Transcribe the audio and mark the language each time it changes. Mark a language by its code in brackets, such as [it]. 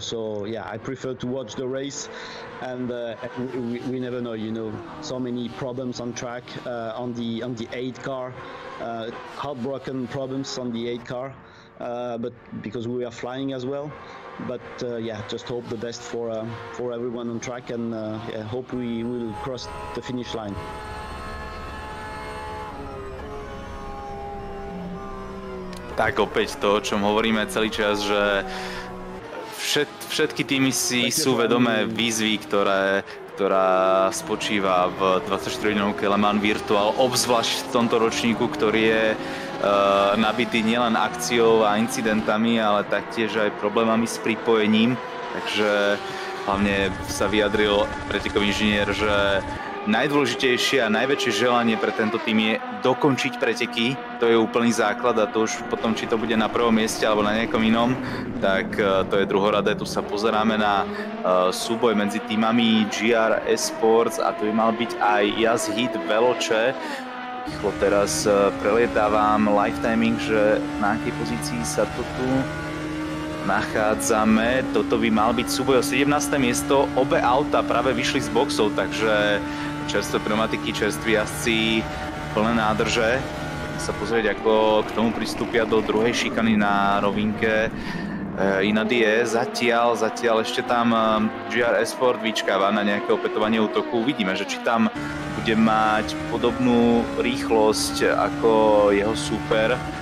[en] So yeah, I prefer to watch the race, and we never know, you know, so many problems on track, on the 8 car, heartbroken problems on the 8 car, but because we are flying as well. But yeah, just hope the best for everyone on track, and yeah, hope we will cross the finish line. [sk] Tak opäť to, o čom hovoríme celý čas, že všetky týmy si sú vedomé výzvy, ktorá spočíva v 24-hodinovke Le Mans Virtual, obzvlášť v tomto ročníku, ktorý je nabitý nielen akciou a incidentami, ale taktiež aj problémami s pripojením. Takže hlavne sa vyjadril pretekový inžinier, že najdôležitejšie a najväčšie želanie pre tento tým je dokončiť preteky. To je úplný základ, a to už potom, či to bude na prvom mieste alebo na nejakom inom, tak to je druhoradé. Tu sa pozeráme na súboj medzi týmami GR Esports, a tu by mal byť aj Yas Heat Veloce. Rýchlo teraz prelietávam lifetiming, že na akej pozícii sa to tu nachádzame. Toto by mal byť súboj o 17. miesto. Obe auta práve vyšli z boxov, takže čerstvé pneumatiky, čerství jazdci, plné nádrže. Poďme sa pozrieť, ako k tomu pristúpia do druhej šikany na rovinke Inadie. Zatiaľ ešte tam GR Esport vyčkáva na nejaké opätovanie útoku. Uvidíme, že či tam bude mať podobnú rýchlosť ako jeho super.